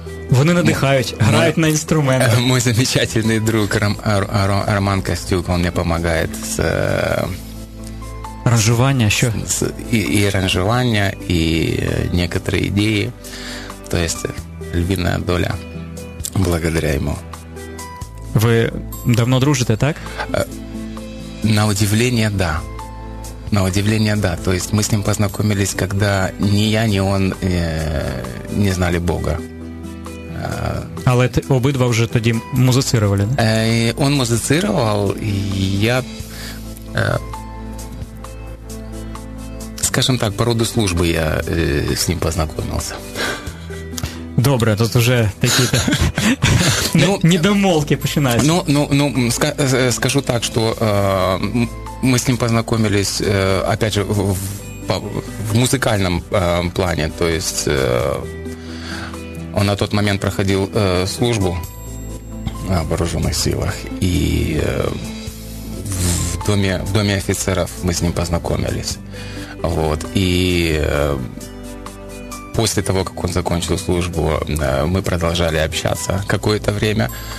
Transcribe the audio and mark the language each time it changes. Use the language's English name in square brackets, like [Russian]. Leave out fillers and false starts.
[Ukrainian] Вони надихають, грають на інструменти. [Russian] Мой замечательный друг Роман Костюк, он мне помогает с... [Ukrainian] Ранжування, що? [Russian] И ранжування, и некоторые идеи. То есть, львиная доля благодаря ему. [Ukrainian] Ви давно дружите, так? [Russian] На удивление, да. На удивление, да. То есть, мы с ним познакомились, когда ни я, ни он не знали Бога. [Ukrainian] Але обидва вже тоді музицировали, не? [Russian] Он музицировал, я, скажем так, по роду служби я с ним познакомился. [Ukrainian] Добре, тут вже такі-то недомолки починаються. Ну, скажу так, що ми з ним познакомились, [Russian] опять же, [Ukrainian] в музикальному плані, [Russian] то есть... Он на тот момент проходил службу в вооруженных силах. И в доме офицеров мы с ним познакомились. Вот. И после того, как он закончил службу, мы продолжали общаться какое-то время.